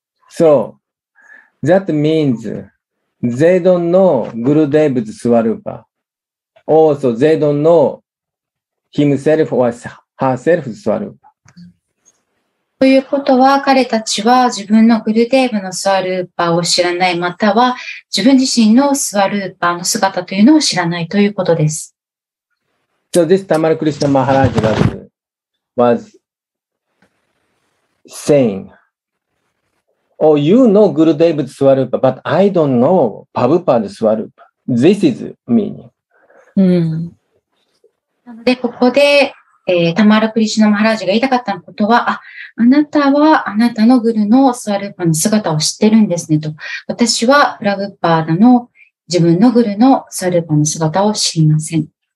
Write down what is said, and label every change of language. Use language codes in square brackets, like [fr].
[en] So, that means they don't know Gurudev's Swarupa. Also, they don't know himself or herself, Swarupa. [ja] ということは、彼たちは自分のグルデーブのスワルーパを知らない、または自分自身のスワルーパの姿というのを知らないということです。 [en] So this Tamara Krishna Maharaj was saying, Oh, you know Gurudev's Swarupa, but I don't know Prabhupada's Swarupa. This is meaning. [ja] なのでここで、タマラ・クリシュナ・マハラージが言いたかったことは、あなたはあなたのグルのスワルーパの姿を知ってるんですねと、私はプラグッパーダの自分のグルのスワルーパの姿を知りません。